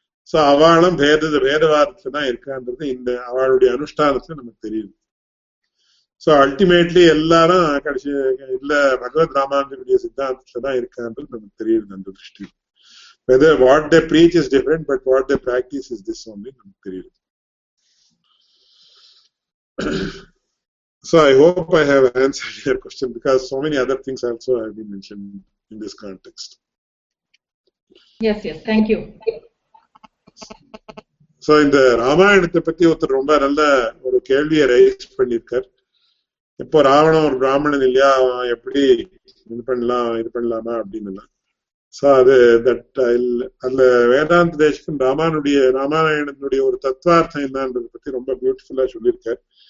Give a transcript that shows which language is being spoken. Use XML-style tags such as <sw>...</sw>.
<ta>So அவளும் பேதவாதத்துல தான் இருக்கான்றது இந்த அவளுடைய அனுஷ்டானத்துல நமக்கு தெரியுது. சோ அல்டிமேட்லி எல்லாரும் கடைசி இல்ல பகவத் ராமானுஜருடைய சித்தாந்தத்துலதான் இருக்கான்றது நமக்கு தெரியுது. அந்த திருஷ்டி</ta> <en>whether what they preach is different but what they practice is this only</en> <ta>நமக்கு தெரியுது.</ta> <en>So I hope I have answered your question because so many other things also have been mentioned in this context. Yes, thank you.</en> <ta>So இந்த ராமாயணத்தை பத்தி ஒருத்தர் ரொம்ப நல்ல ஒரு கேள்வியை ரைஸ் பண்ணியிருக்கார். இப்போ ராவணன் ஒரு பிராமணன் இல்லையா, அவன் எப்படி இது பண்ணலாம் இது பண்ணலாமா அப்படின்னு. சோ அது தட் அந்த வேதாந்த தேசிகன் ராமானுடைய ராமாயணத்தினுடைய ஒரு தத்வார்த்தம் என்னன்றதை பத்தி ரொம்ப பியூட்டிஃபுல்லா சொல்லியிருக்காரு.</ta>